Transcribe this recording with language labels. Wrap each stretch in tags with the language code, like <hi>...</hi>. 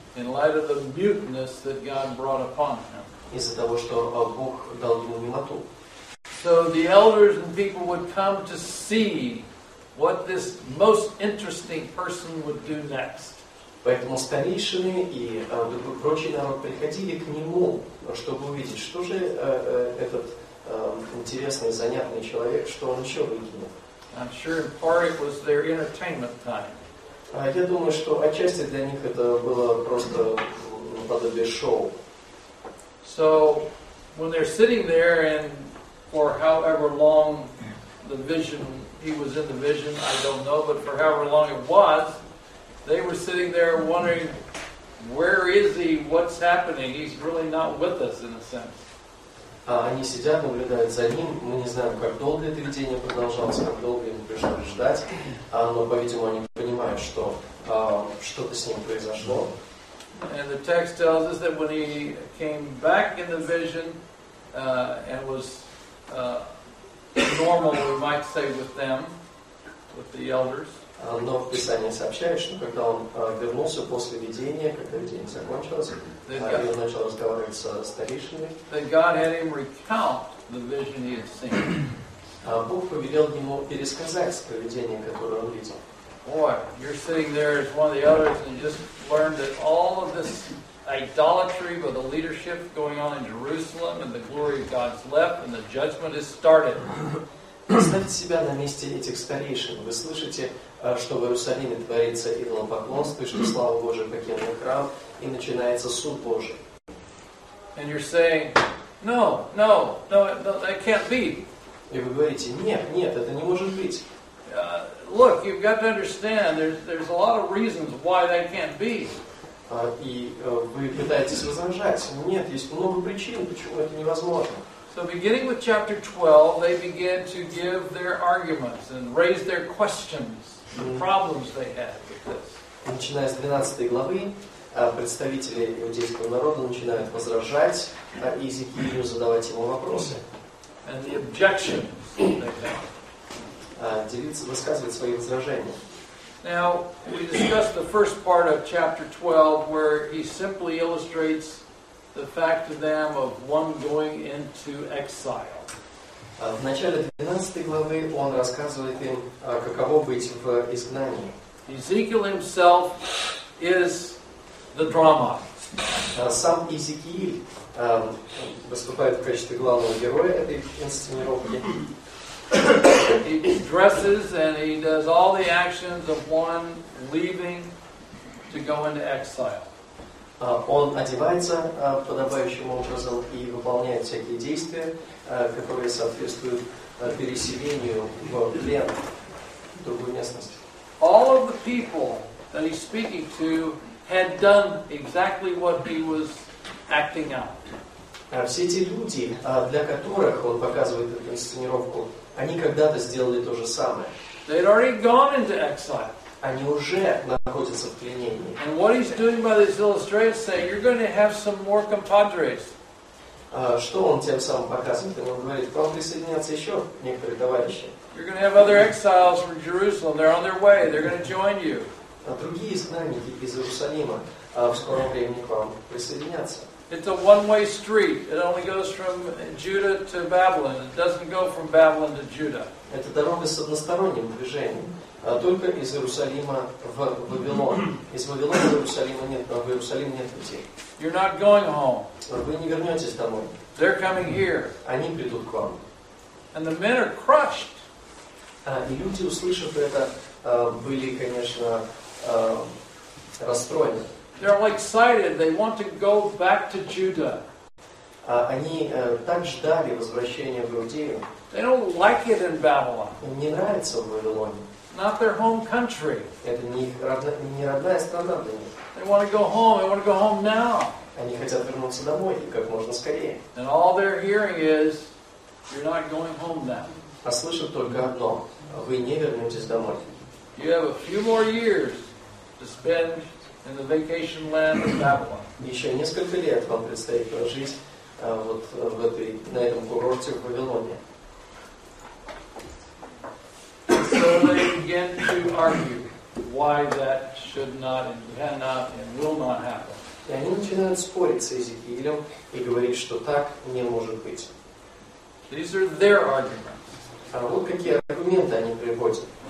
<en>In light of the muteness that God brought upon him.</en> <ru>Из-за того, что Бог дал ему немоту.</ru> <en>So the elders and people would come to see what this most interesting person would do next.</en> <ru>Поэтому старейшины и прочий народ приходили к нему, чтобы увидеть, что же этот интересный, занятный человек, что он еще выкинет.</ru> <en>I'm sure in part it was their entertainment time.</en> <ru>Я думаю, что отчасти для них это было просто подобие шоу.</ru> <en>So, when they're sitting there and for however long the vision, he was in the vision, I don't know, but for however long it was, they were sitting there wondering, where is he? What's happening? He's really not with us, in a sense.</en> <ru>Они сидят, наблюдают за ним. Мы не знаем, как долго это видение продолжалось, как долго ему пришлось ждать. Но, по-видимому, они понимают, что что-то с ним произошло.</ru> <en>And the text tells us that when he came back in the vision and was normal, we might say, with them, with the elders.</en> <ru>Но в Писании сообщают, что когда он вернулся после видения, когда видение закончилось, и он начал разговаривать со старейшинами,</ru> <en>that God had him recount the vision he had seen.</en> <ru>Бог повелел ему пересказать то видение, которое он видел.</ru> <en>Boy, you're sitting there as one of the elders and just learned that all of this idolatry with the leadership going on in Jerusalem and the glory of God's left and the judgment has started.</en> <ru>Представьте себя на месте этих старейшин. Вы слышите, что в Иерусалиме творится идолопоклонство, что слава Божия покинула храм, и начинается суд Божий.</ru> <en>And you're saying, no, that can't be.</en> <ru>И вы говорите, нет, это не может быть.</ru> <en>Look, you've got to understand, there's a lot of reasons why that can't be.</en> <ru>И вы пытаетесь возражать. Нет, есть много причин, почему это невозможно.</ru> <en>So beginning with chapter 12, they begin to give their arguments and raise their questions, the problems they had with this.</en> <ru>Начиная с 12 главы, представители иудейского народа начинают возражать Иезекиилю, задавать ему вопросы.</ru> <en>And the objections they have.</en> <ru>Высказывать свои возражения.</ru> <en>Now, we discussed the first part of chapter 12, where he simply illustrates the fact to them of one going into exile.</en> <ru>В начале 12 главы он рассказывает им, каково быть в изгнании.</ru> <en>Ezekiel himself is the drama.</en> <ru>Сам Иезекииль выступает в качестве главного героя этой инсценировки.</ru> <en>he dresses and he does all the actions of one leaving to go into exile.</en> <ru>Он одевается подобающим образом и выполняет всякие действия, которые соответствуют переселению в плен, в другую местность.</ru> <en>All of the people that he's speaking to had done exactly what he was acting out.</en> <ru>Все эти люди, для которых он показывает эту инсценировку, они когда-то сделали то же самое.</ru> <en>They'd already gone into exile.</en> <ru>Они уже находятся в пленении.</ru> <en>And what he's doing by this illustration is saying, you're going to have some more compadres.</en> <ru>Что он тем самым показывает? Он говорит, к вам присоединятся еще некоторые товарищи.</ru> <en>You're going to have other exiles from Jerusalem. They're on their way. They're going to join you.</en> <ru>Другие изгнанники из Иерусалима в скором времени к вам присоединятся.</ru> <en>It's a one-way street. It only goes from Judah to Babylon. It doesn't go from Babylon to Judah.</en> <ru>Это дорога с односторонним движением. Только из Иерусалима в Вавилон. Из Вавилона в Иерусалим нет, в Иерусалим нет пути.</ru> <en>You're not going home.</en> <ru>Вы не вернетесь домой.</ru> <en>They're coming here.</en> <ru>Они придут к вам.</ru> <en>And the men are crushed.</en> <ru>И люди, услышав это, были, конечно, расстроены.</ru> <en>They're all excited. They want to go back to Judah.</en> <ru>Они так ждали возвращения в Иудею.</ru> <en>They don't like it in Babylon.</en> <ru>Им не нравится в Вавилоне.</ru> <en>Not their home country.</en> <ru>Это не родная страна для них.</ru> <en>They want to go home. They want to go home now.</en> <ru>Они хотят вернуться домой как можно скорее.</ru> <en>And all they're hearing is, you're not going home now.</en> <ru>А слышат только одно. Вы не вернетесь домой.</ru> <en>You have a few more years to spend in the vacation land of Babylon.</en> <ru>Еще несколько лет вам предстоит прожить вот в этой, на этом курорте в Вавилоне.</ru> <en>So they begin to argue why that should not and cannot and will not happen.</en> <ru>И они начинают спорить с Иезекиилем и говорить, что так не может быть.</ru> <en>These are their arguments.</en> <ru>А вот какие аргументы они приводят.</ru>